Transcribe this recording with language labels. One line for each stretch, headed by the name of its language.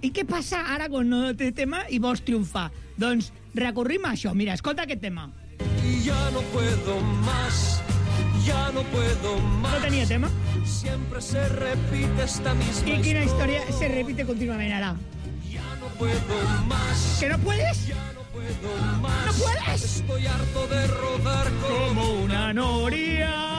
Catalan: I què passa ara quan no té tema i vols triomfar? Doncs recorrim a això. Mira, escolta aquest tema.
Spanish: Ya no puedo más, ya no puedo más.
Catalan: No tenia tema.
Spanish: Siempre se repite esta misma.
Catalan: I quina història se repite contínuament ara?
Spanish: Ya no puedo más. ¿Que no puedes? Ya no puedo más. ¿No puedes? Estoy harto de rodar como una noria.